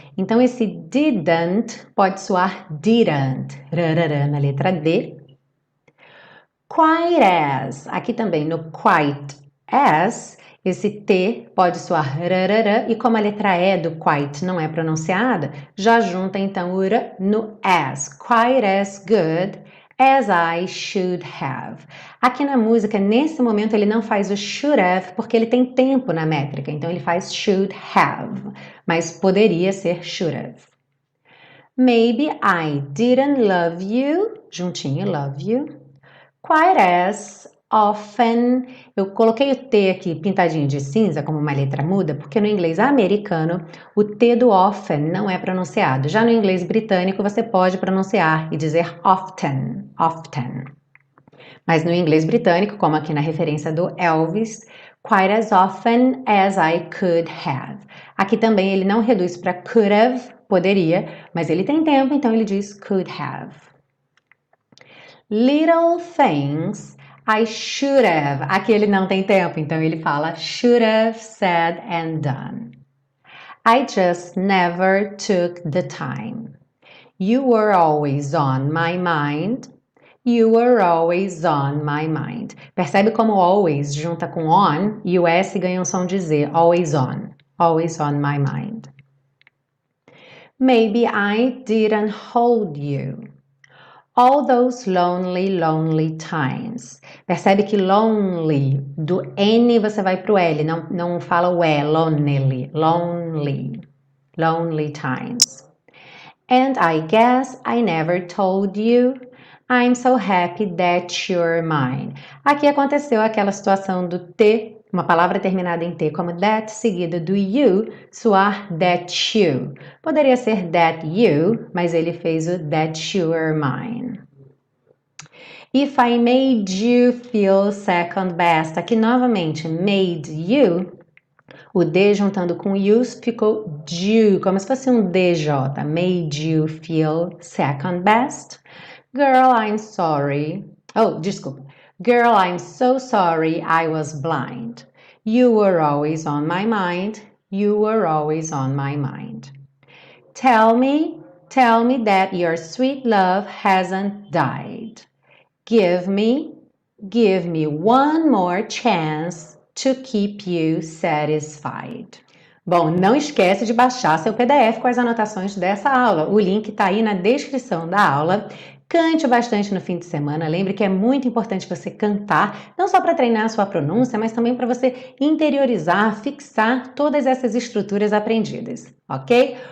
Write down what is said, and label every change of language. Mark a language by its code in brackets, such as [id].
[pt] Então, esse didn't pode soar didn't, na letra D. Quite as, aqui também no quite as, esse T pode soar rarara, e como a letra E do quite não é pronunciada, já junta então o R no as. [en] Quite as good as I should have. [pt] Aqui na música, nesse momento, ele não faz o should have, porque ele tem tempo na métrica. Então, ele faz should have, mas poderia ser should have. [en] Maybe I didn't love you, juntinho, love you, quite as often. [pt] Eu coloquei o T aqui pintadinho de cinza, como uma letra muda, porque no inglês americano, o T do often não é pronunciado. Já no inglês britânico, você pode pronunciar e dizer often. Often. Mas no inglês britânico, como aqui na referência do Elvis, [en] quite as often as I could have. [pt] Aqui também ele não reduz para could have, poderia, mas ele tem tempo, então ele diz could have. [en] Little things I should have. [pt] Aqui ele não tem tempo, então ele fala [en] should have said and done. I just never took the time. You were always on my mind. You were always on my mind. [pt] Percebe como always junta com on e o S ganha um som de Z. [en] Always on. Always on my mind. Maybe I didn't hold you. All those lonely, lonely times. [pt] Percebe que lonely, do N você vai pro L. Não fala o E. [en] Lonely. Lonely. Lonely times. And I guess I never told you. I'm so happy that you're mine. [pt] Aqui aconteceu aquela situação do T, uma palavra terminada em T, como that, seguida do you, soar that you. Poderia ser that you, mas ele fez o [en] that you're mine. If I made you feel second best. [pt] Aqui novamente, made you, o D juntando com you ficou you, como se fosse um DJ. [en] Made you feel second best. Girl, I'm sorry. [pt] Oh, desculpa. [en] Girl, I'm so sorry I was blind. You were always on my mind. You were always on my mind. Tell me that your sweet love hasn't died. Give me one more chance to keep you satisfied. [pt] Bom, não esquece de baixar seu PDF com as anotações dessa aula. O link está aí na descrição da aula. Cante bastante no fim de semana. Lembre que é muito importante você cantar, não só para treinar a sua pronúncia, mas também para você interiorizar, fixar todas essas estruturas aprendidas, ok?